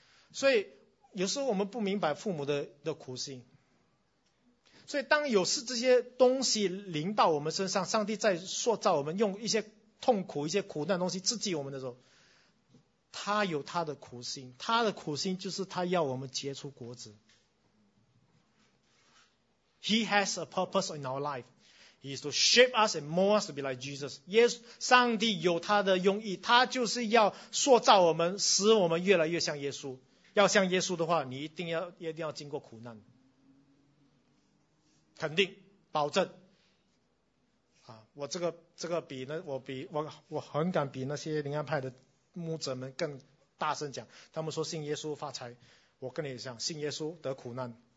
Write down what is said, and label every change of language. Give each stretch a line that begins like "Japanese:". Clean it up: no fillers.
Chinese: 所以有时候我们不明白父母的苦心。所以当有是这些东西临到我们身上，上帝在塑造我们，用一些痛苦、一些苦难的东西刺激我们的时候，他有他的苦心，他的苦心就是他要我们结出果子。
English: He has a purpose in our life. He is to shape us and mold us to be like Jesus.
Chinese: Yes, 上帝有他的用意，他就是要塑造我们，使我们越来越像耶稣。要像耶稣的话，你一定要经过苦难，肯定保证。啊，我这个比呢，我很敢比那些灵恩派的牧者们更大声讲，他们说信耶稣发财，我跟你讲，信耶稣得苦难。